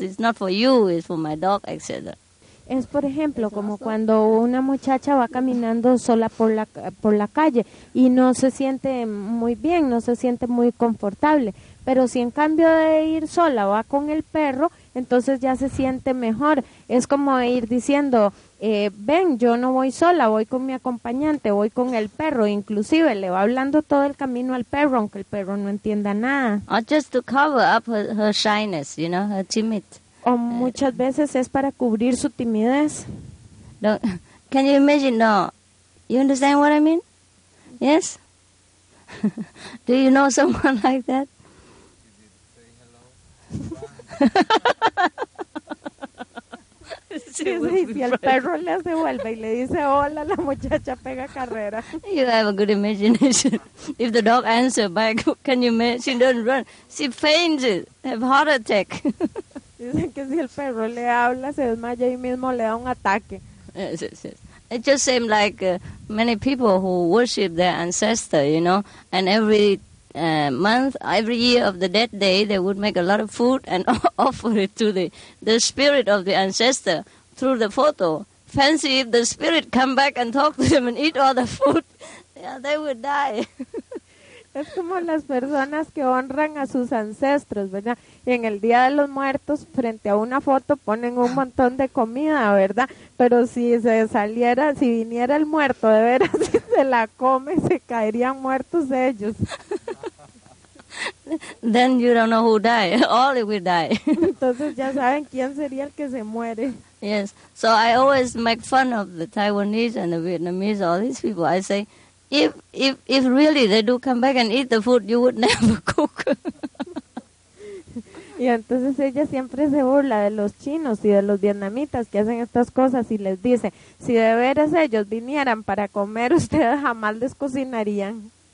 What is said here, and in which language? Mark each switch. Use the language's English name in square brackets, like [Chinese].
[English] It's not for you, it's for my dog, etc. [Spanish] Es, por ejemplo, como cuando una muchacha va caminando sola por la calle y no se siente muy bien, no se siente muy confortable. Pero si en cambio de ir sola va con el perro, entonces ya se siente mejor. Es como ir diciendo, ven, yo no voy sola, voy con mi acompañante, voy con el perro. Inclusive le va hablando todo el camino al perro, aunque el perro no entienda nada. [English] Or just to cover up her shyness, you know, her timid. [Spanish] O muchas veces es para cubrir su timidez. [English] Can you imagine? No. You understand what I mean? Yes? Do you know someone like that? [Spanish] Sí, y el perro le hace vuelta y le dice hola, la muchacha pega carrera. [English] You have a good imagination. If the dog answers back, can you imagine? She doesn't run. She fainted, have heart attack. [Spanish] Dicen que si el perro le habla, se desmaya y mismo le da un ataque. [English] Yes, yes, yes. It just seems like many people who worship their ancestor, you know, and every month, every year of the dead day, they would make a lot of food and offer it to the spirit of the ancestor through the photo. Fancy if the spirit come back and talk to them and eat all the food. Yeah, they would die. [Spanish] Es como las personas que honran a sus ancestros, ¿verdad? Y en el Día de los Muertos, frente a una foto, ponen un montón de comida, ¿verdad? Pero si se saliera, si viniera el muerto, de veras, si se la come, se caerían muertos de ellos. [English] Then you don't know who die. All will die. [Spanish] Entonces ya saben quién sería el que se muere. [English] Yes. So I always make fun of the Taiwanese and the Vietnamese, all these people. I say, if really they do come back and eat the food, you would never cook. [Spanish] Y entonces ella siempre se burla de los chinos y de los vietnamitas que hacen estas cosas y les dice, si de veras ellos vinieran para comer, ustedes jamás les cocinarían.